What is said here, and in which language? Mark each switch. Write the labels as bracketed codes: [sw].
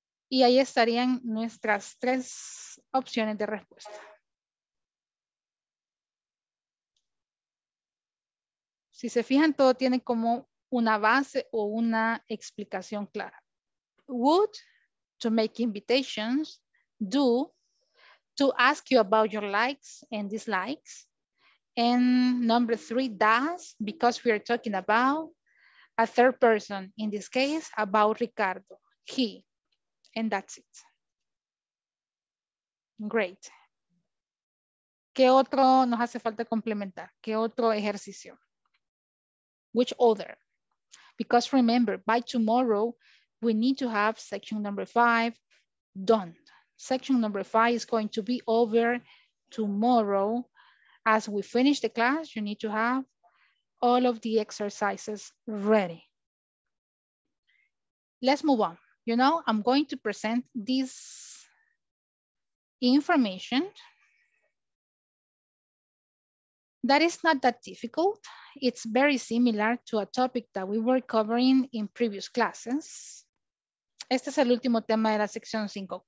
[es] Y ahí estarían nuestras tres opciones de respuesta. Si se fijan, todo tiene como una base o una explicación clara. [en] Would, to make invitations. Do, to ask you about your likes and dislikes. And number three, does, because we are talking about a third person, in this case, about Ricardo, he. And that's it. Great. [es] ¿Qué otro nos hace falta complementar? ¿Qué otro ejercicio? [en] Which other? Because remember, by tomorrow, we need to have section number five done. Section number five is going to be over tomorrow. As we finish the class, you need to have all of the exercises ready. Let's move on. You know, I'm going to present this information. That is not that difficult. It's very similar to a topic that we were covering in previous classes. [es] Este es el último tema de la sección 5.